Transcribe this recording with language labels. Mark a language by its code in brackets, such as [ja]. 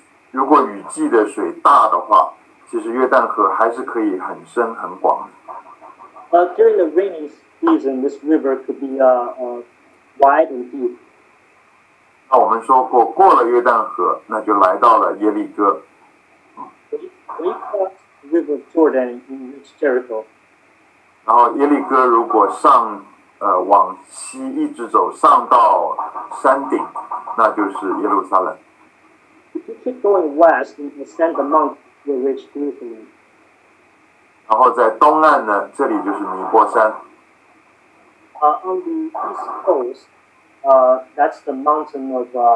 [zh] 如果雨季的水大的话，其实约旦河还是可以很深很广。 [en] During the rainy season, this river could be wide and deep. [zh] 那我们说过，过了约旦河，那就来到了耶利哥。 [en] We crossed the river Jordan in Jericho. [zh] 然后耶利哥如果上往西一直走上到山顶，那就是耶路撒冷。 [en] If you keep going west, you ascend the mount, you reach Jerusalem. [zh] 然后在东岸呢，这里就是尼泊山。 [en] On the east coast, that's the mountain of